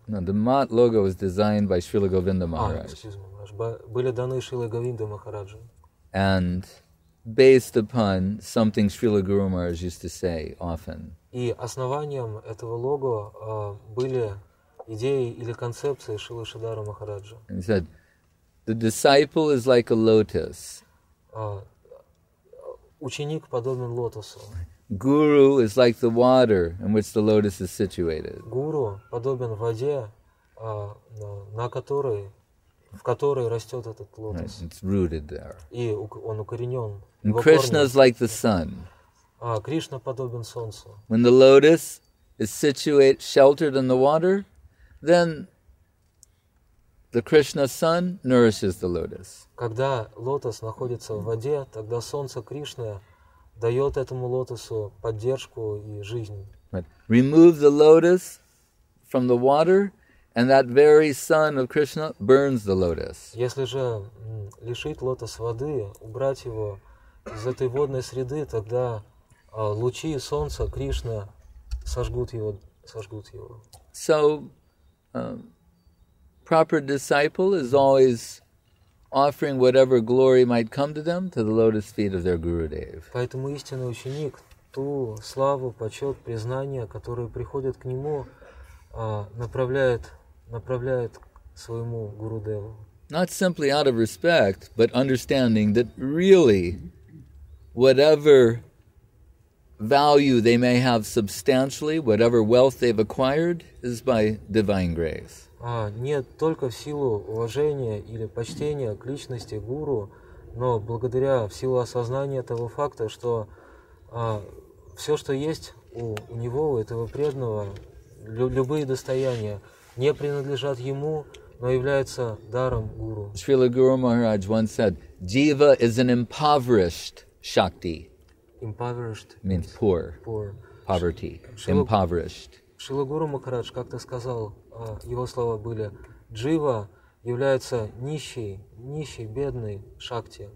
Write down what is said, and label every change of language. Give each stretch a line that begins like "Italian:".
English: No, the Mott logo was designed by Шрила Говинда Махарадж.
Russian: Были даны Шрилой Говинда Махараджем.
English: And based upon something Шрила Гуру Махарадж used to say often.
Russian: И основанием этого лого были идеи или концепции Шрилой Шридхару Махараджа.
English: He said, the disciple is like a lotus.
Russian: Ученик подобен лотосу.
English: Guru is like the water in which the lotus is situated.
Russian: Guru подобен воде, на которой, в которой растет этот лотос.
English: Right, it's rooted there.
Russian: И он укоренен.
English: And Krishna is like the sun.
Russian: Кришна подобен солнцу.
English: When the lotus is situated, sheltered in the water, then the Krishna sun nourishes the lotus.
Russian: Когда лотос находится в воде, тогда солнце Кришны дает этому лотосу поддержку и жизнь.
English: Right. Remove the lotus from the water, and that very sun of Krishna burns the lotus.
Russian: Если же лишить лотос воды, убрать его из этой водной среды, тогда лучи солнца Кришны сожгут его, сожгут его.
English: So, proper disciple is always offering whatever glory might come to them to the lotus feet of their Gurudev.
Russian: Поэтому истинный ученик ту славу, почет, признание, которое приходит к нему, направляет своему Гурудеву.
English: Not simply out of respect, but understanding that really whatever value they may have substantially, whatever wealth they've acquired, is by divine grace.
Russian: Не только в силу уважения или почтения к личности гуру, но благодаря в силу осознания того факта, что все, что есть у него, у этого преданного, любые достояния не принадлежат ему, но являются даром гуру.
English: Шрила Гуру Махарадж once said, "Jiva is an impoverished shakti." Impoverished means poor. Poor. Poverty. Impoverished.
Russian: Шрила Гуру Махарадж как-то сказал. Его слова были: «Джива является нищей, нищей, бедной шакти».